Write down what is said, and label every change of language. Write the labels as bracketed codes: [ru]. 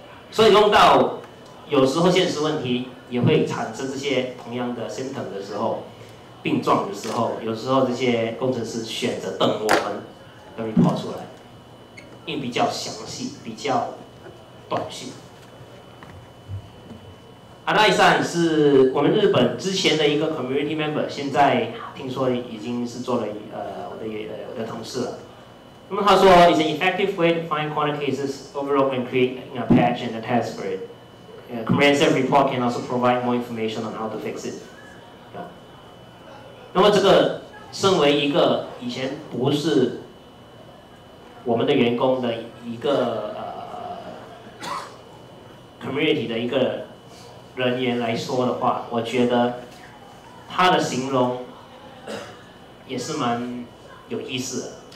[zh] 所以用到有时候现实问题也会产生这些同样的 symptom 的时候，病状的时候，有时候这些工程师选择等我们的 report 出来，因为比较详细，比较短讯。 Anai-san 是我们日本之前的一个 community member， 现在听说已经是做了我的同事了。那么他说 [en] ，It's an effective way to find corner cases, overall, and create a patch and a test for it. A comprehensive report can also provide more information on how to fix it.、Yeah. [zh] 那么这个身为一个以前不是我们的员工的一个community 的一个人员来说的话，我觉得他的形容也是蛮有意思的。